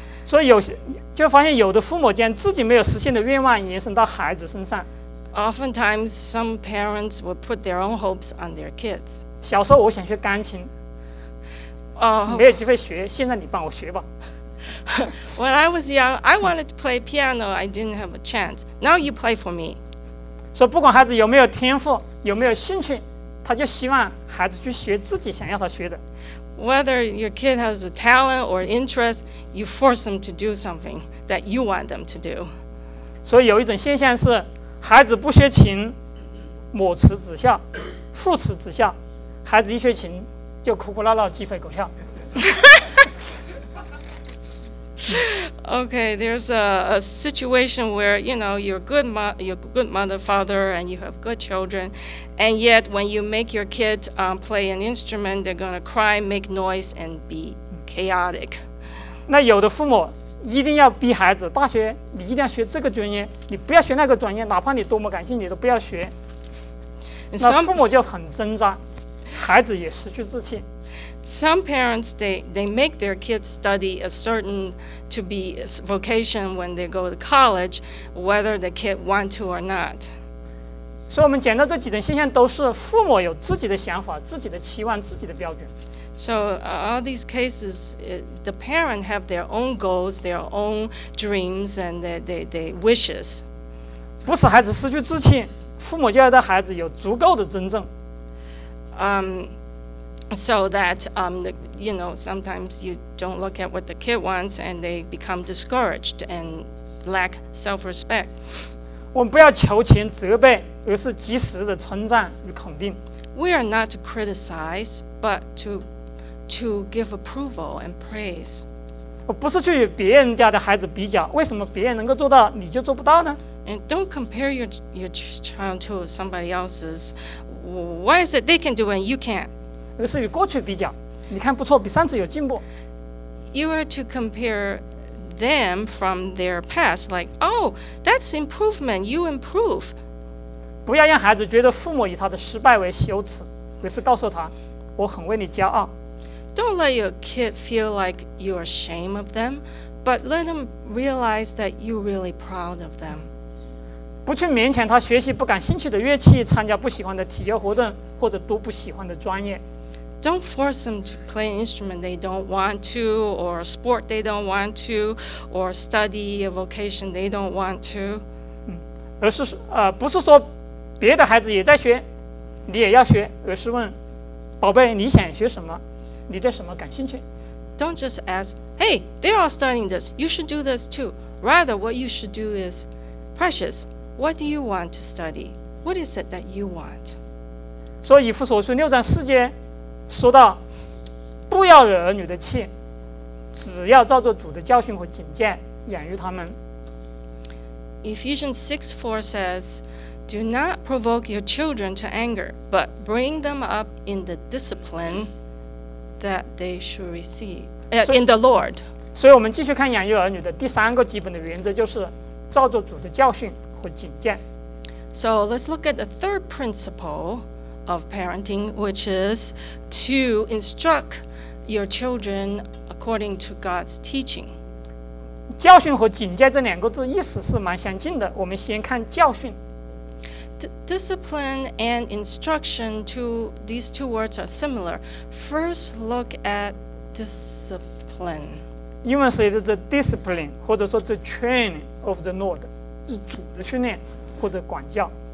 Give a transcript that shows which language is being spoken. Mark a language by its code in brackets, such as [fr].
[zh] 所以有些就发现有的父母将自己没有实现的愿望延伸到孩子身上。 [en] Oftentimes, some parents would put their own hopes on their kids. [zh] 小时候我想学钢琴，没有机会学，现在你帮我学吧。 [en] When I was young, I wanted to play piano. I didn't have a chance. Now you play for me. [zh] 所以不管孩子有没有天赋，有没有兴趣，他就希望孩子去学自己想要他学的。 [en] Whether your kid has a talent or interest, you force them to do something that you want them to do. [zh] 所以有一种现象是孩子不学琴，母慈子孝，父慈子孝，孩子一学琴就哭哭闹闹，鸡飞狗跳。 [en] Okay, there's a situation where, you know, you're a good mother, father, and you have good children, and yet when you make your kid play an instrument, they're going to cry, make noise, and be chaotic. [zh] 那有的父母一定要逼孩子，大学你一定要学这个专业，你不要学那个专业，哪怕你多么感兴趣，你都不要学。那父母就很挣扎，孩子也失去自信。 [en] Some parents they make their kids study a certain to be vocation when they go to college, whether the kid want to or not. [zh] 所以我们讲到这几种现象都是父母有自己的想法、自己的期望、自己的标准。 [en] So all these cases, the parent have their own goals, their own dreams, and they wishes. [zh] 不使孩子失去自信，父母就要让孩子有足够的尊重。 [en] So that, you know, sometimes you don't look at what the kid wants and they become discouraged and lack self-respect. [zh] 我们不要求情责备，而是及时的称赞与肯定。 [en] We are not to criticize, but to give approval and praise. [zh] 我不是去与别人家的孩子比较，为什么别人能够做到，你就做不到呢？ [en] And don't compare your child to somebody else's. Why is it they can do it and you can't? [zh] 而是与过去比较，你看不错，比上次有进步。 [en] You are to compare them from their past, like, oh, that's improvement, you improve. [zh] 不要让孩子觉得父母以他的失败为羞耻，而是告诉他，我很为你骄傲。 [en] Don't let your kid feel like you are ashamed of them, but let them realize that you're really proud of them. [zh] 不去勉强他学习不感兴趣的乐器，参加不喜欢的体育活动，或者读不喜欢的专业。 [en] Don't force them to play an instrument they don't want to, or a sport they don't want to, or study a vocation they don't want to. [zh] 而是不是说别的孩子也在学，你也要学，而是问宝贝你想学什么，你对什么感兴趣。 [en] Don't just ask, hey, they're all studying this, you should do this too. Rather, what you should do is, precious, what do you want to study? What is it that you want? [zh] 所以以弗所书六章四节。说到不要惹儿女的气，只要照着主的教训和警戒养育他们。 [en] Ephesians 6:4 says, Do not provoke your children to anger, but bring them up in the discipline that they should receive in the Lord. [zh] 所以我们继续看养育儿女的第三个基本的原则，就是照着主的教训和警戒。 [en] So let's look at the third principleOf parenting, which is to instruct your children according to God's teaching. [zh] 教训和警戒这两个字意思是蛮相近的，我们先看教训。 [en] Discipline and instruction, these two words are similar. First, look at discipline. [zh] 英文是 [en] the discipline, [zh] 或者说 [en] the training of the Lord, [zh] 是主的训练或者管教。